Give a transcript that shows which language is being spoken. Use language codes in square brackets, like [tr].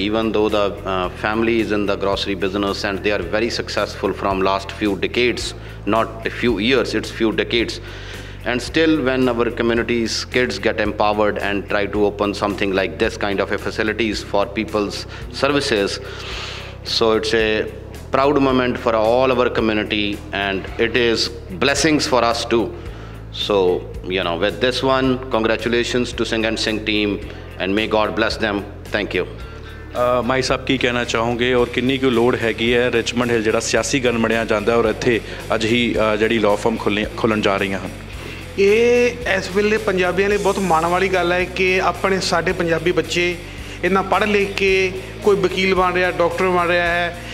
[en] Even though the family is in the grocery business and they are very successful from last few decades, not few years, it's few decades, and still when our communities kids get empowered and try to open something like this kind of a facilities for peoples services, so it's a proud moment for all our community and it is blessings for us too. So, you know, with this one, congratulations to Sing and Sing team and may God bless them. Thank you. [pa] ਮਾਈ ਸਾਹਿਬ ਕੀ ਕਹਿਣਾ ਚਾਹੋਗੇ ਔਰ ਕਿੰਨੀ ਕੁ ਲੋੜ ਹੈਗੀ ਹੈ Richmond ਹਿੱਲ ਜਿਹੜਾ ਸਿਆਸੀ ਗਨ ਬਣਿਆ ਜਾਂਦਾ ਔਰ ਇੱਥੇ ਅੱਜ ਹੀ ਜਿਹੜੀ ਲੋਅ ਫਰਮ ਖੁੱਲ੍ਹਣ ਜਾ ਰਹੀਆਂ ਹਨ? ਇਹ ਇਸ ਵੇਲੇ ਪੰਜਾਬੀਆਂ ਲਈ ਬਹੁਤ ਮਾਣ ਵਾਲੀ ਗੱਲ ਹੈ ਕਿ ਆਪਣੇ ਸਾਡੇ ਪੰਜਾਬੀ ਬੱਚੇ ਇੰਨਾ ਪੜ੍ਹ ਲਿਖ ਕੇ ਕੋਈ ਵਕੀਲ ਬਣ ਰਿਹਾ, ਡਾਕਟਰ ਬਣ ਰਿਹਾ ਹੈ।